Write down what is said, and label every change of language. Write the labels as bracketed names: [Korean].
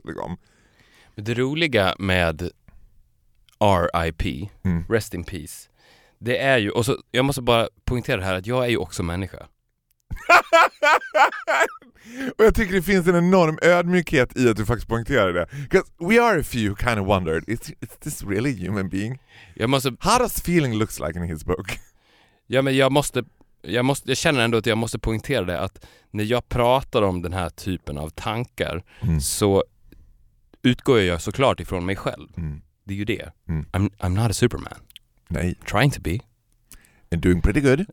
[Swedish] Liksom. Men det roliga med RIP, [English] rest in peace, [Swedish] det är ju, och så, jag måste bara poängtera här, att jag är ju också människa. Och jag tycker det finns en enorm ödmjukhet i att du faktiskt poängterar det. [English] Because we are a few who kind of wondered, is this really a human being? How does feeling looks like in his book? [Swedish] Ja, men jag känner ändå att jag måste poängtera det, att när jag pratar om den här typen av tankar så utgår jag såklart ifrån mig själv. Det är ju det. [English] I'm not a superman. [Swedish] Nej. [English] Trying to be. And doing pretty good.